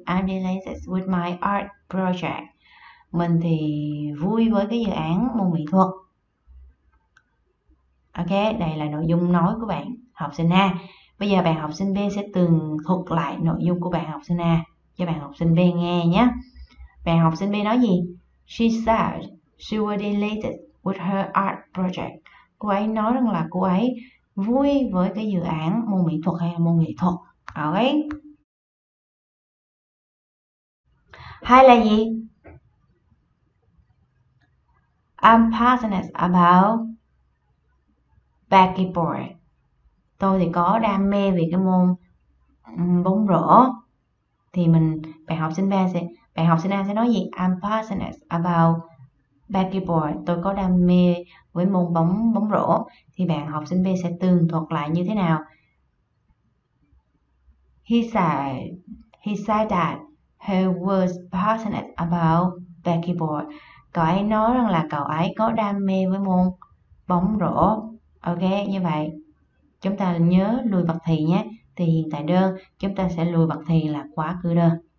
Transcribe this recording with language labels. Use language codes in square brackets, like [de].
[en] I'm delighted with my art project. [vi] Mình thì vui với cái dự án môn mỹ thuật. Ok, đây là nội dung nói của bạn học sinh A. Bây giờ bạn học sinh B sẽ tường thuật lại nội dung của bạn học sinh A cho bạn học sinh B nghe nhé. Bạn học sinh B nói gì? [en] She said she was delighted with her art project. [vi] Cô ấy nói rằng là cô ấy vui với cái dự án môn mỹ thuật hay môn nghệ thuật. Ok. Hay là gì? [en] I'm passionate about basketball. [vi] Tôi thì có đam mê về cái môn bóng rổ. Thì mình bạn học sinh A sẽ nói gì? [en] I'm passionate about basketball. [vi] Tôi có đam mê với môn bóng rổ. Thì bạn học sinh B sẽ tường thuật lại như thế nào? [en] He said that he was passionate about basketball. [vi] Cậu ấy nói rằng là cậu ấy có đam mê với môn bóng rổ. Ok, như vậy chúng ta nhớ lùi vật thì nhé. Thì hiện tại đơn chúng ta sẽ lùi vật thì là quá khứ đơn.